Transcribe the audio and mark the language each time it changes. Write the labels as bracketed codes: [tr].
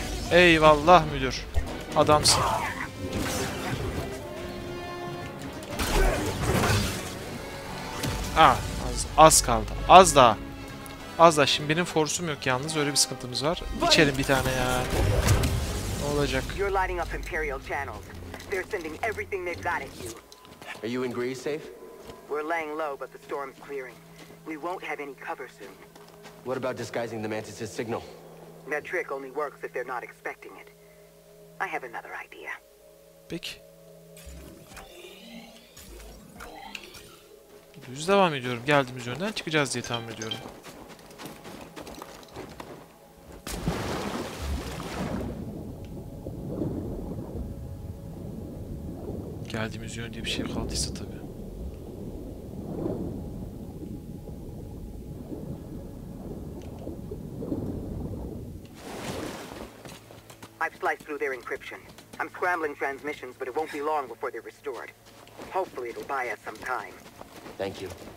[tr] Eyvallah müdür. Adamsın. Ah, az kaldı. Az daha. Az daha. Şimdi benim force'um yok yalnız. Öyle bir sıkıntımız var. İçelim bir tane ya. Ne olacak? [en] You're lighting up Imperial channels. They're sending everything they've got at you. Are you in Greece safe? We're laying low, but the storm's clearing. We won't have any cover soon. What about disguising the Mantis's signal? That trick only works if they're not expecting it. I have another idea. [tr] Peki. Düz devam ediyorum. Geldiğimiz yönden çıkacağız diye tahmin ediyorum. Geldiğimiz yön diye bir şey kaldıysa tabii. [en] I've sliced through their encryption. I'm scrambling transmissions, but it won't be long before they're restored. Hopefully it'll buy us some time. Thank you.